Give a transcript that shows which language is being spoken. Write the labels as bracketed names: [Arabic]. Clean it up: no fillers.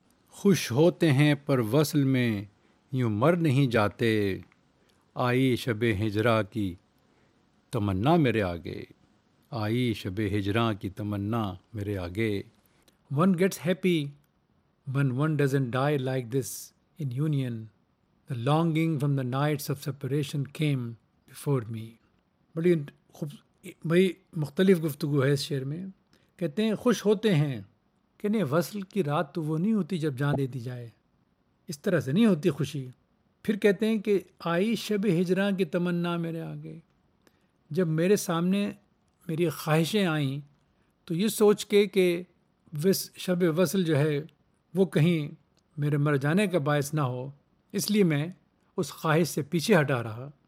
[Urdu] خوش ہوتے ہیں پر وصل میں یوں مر نہیں جاتے, آئی شب ہجرا کی تمنا میرے آگے, آئی شب ہجرا کی تمنا میرے آگے. [English] One gets happy one one doesn't die like this in union, The longing from the nights of separation came before me. [Urdu] بڑی خوب بھائی مختلف گفتگو ہے اس شعر میں. کہتے ہیں خوش ہوتے ہیں کہ نہیں وصل کی رات تو وہ نہیں ہوتی جب جان دے دی جائے, اس طرح سے نہیں ہوتی خوشی. پھر کہتے ہیں کہ آئی شب ہجراں کی تمنا میرے آگے, جب میرے سامنے میری خواہشیں آئیں تو یہ سوچ کے کہ شب وصل جو ہے وہ کہیں میرے مر جانے کا باعث نہ ہو, اس لیے میں اس خواہش سے پیچھے ہٹا رہا.